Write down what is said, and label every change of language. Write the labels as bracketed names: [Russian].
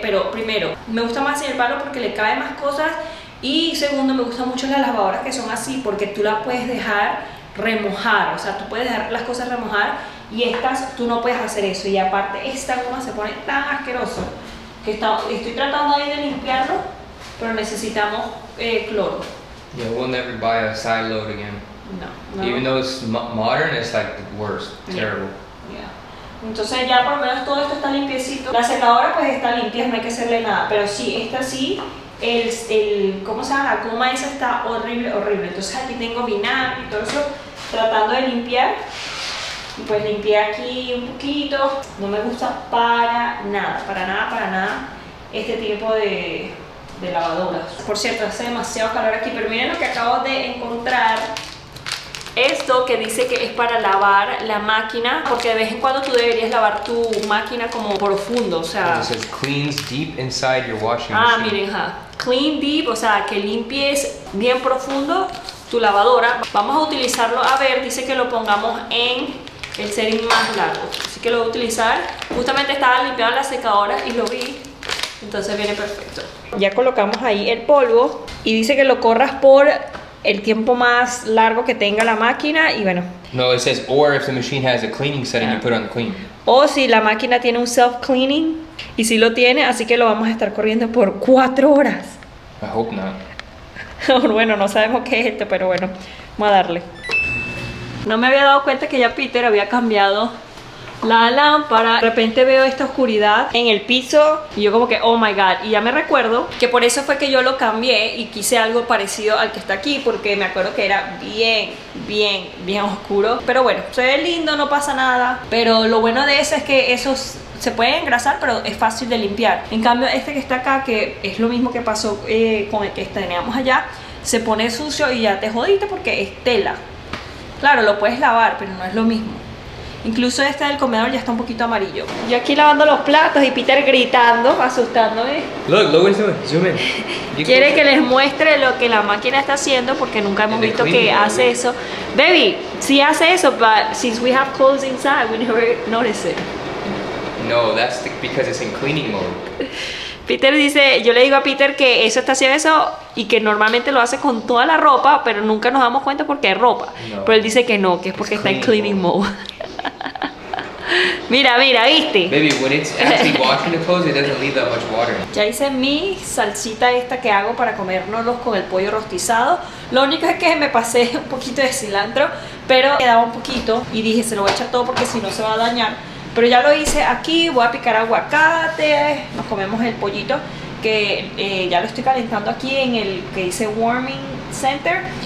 [Spanish] Pero primero, me gusta más el palo porque le cabe más cosas. Y segundo, me gustan mucho las lavadoras que son así, porque tú las puedes dejar remojar. O sea, tú puedes dejar las cosas remojar y estas, tú no puedes hacer eso. Y aparte, esta goma se pone tan asqueroso que está, estoy tratando ahí de limpiarlo, pero necesitamos cloro. [English] Yeah, we'll never buy a side load again. [Spanish] No. [English] Even though it's modern, it's like the worst, terrible. Yeah. [Spanish] Entonces ya por lo menos todo esto está limpiecito. La secadora pues está limpia, no hay que hacerle nada. Pero sí, esta sí, el ¿cómo se llama? La coma esa está horrible, horrible. Entonces aquí tengo vinagre y todo eso, tratando de limpiar. Y pues limpié aquí un poquito. No me gusta para nada, para nada, para nada este tipo de lavadoras. Por cierto, hace demasiado calor aquí, pero miren lo que acabo de encontrar. Esto que dice que es para lavar la máquina, porque de vez en cuando tú deberías lavar tu máquina como profundo, o sea. [English] It says cleans deep inside your washing [Spanish] machine. Ah, miren, ja. [English] Clean deep, [Spanish] o sea, que limpies bien profundo tu lavadora. Vamos a utilizarlo, a ver, dice que lo pongamos en el setting más largo. Así que lo voy a utilizar. Justamente estaba limpiando la secadora y lo vi, entonces viene perfecto. Ya colocamos ahí el polvo y dice que lo corras por el tiempo más largo que tenga la máquina y bueno. [English] No, it says, or if the machine has a cleaning setting, yeah, you put on clean. [Spanish] O si la máquina tiene un self-cleaning, y si lo tiene, así que lo vamos a estar corriendo por 4 horas. [English] I hope not. [Spanish] Bueno, no sabemos qué es esto, pero bueno, vamos a darle. No me había dado cuenta que ya Peter había cambiado la lámpara. De repente veo esta oscuridad en el piso y yo como que [English] oh my god. [Spanish] Y ya me recuerdo que por eso fue que yo lo cambié y quise algo parecido al que está aquí, porque me acuerdo que era bien, bien, bien oscuro. Pero bueno, se ve lindo, no pasa nada. Pero lo bueno de eso es que eso se puede engrasar, pero es fácil de limpiar. En cambio este que está acá, que es lo mismo que pasó con el que teníamos allá, se pone sucio y ya te jodiste porque es tela. Claro, lo puedes lavar, pero no es lo mismo. Incluso este del comedor ya está un poquito amarillo. Yo aquí lavando los platos y Peter gritando, asustándome. [English] Look, look what he's doing. Zoom in. [Spanish] Quiere que les muestre lo que la máquina está haciendo, porque nunca hemos visto que hace eso. [English] Baby, [Spanish] sí hace eso, [English] but since we have clothes inside, we never notice it. No, that's because it's in cleaning mode. [Spanish] Peter dice, yo le digo a Peter que eso está haciendo eso y que normalmente lo hace con toda la ropa, pero nunca nos damos cuenta porque es ropa. No. Pero él dice que no, que es porque está en [English] cleaning mode. [Spanish] Mira, mira, ¿viste? [English] Baby, when it's actually washing the clothes, it doesn't leave that much water. [Spanish] Ya hice mi salsita esta que hago para comérnoslos con el pollo rostizado. Lo único es que me pasé un poquito de cilantro, pero quedaba un poquito y dije, se lo voy a echar todo porque si no se va a dañar. Pero ya lo hice aquí, voy a picar aguacate, nos comemos el pollito que ya lo estoy calentando aquí en el que dice warming center.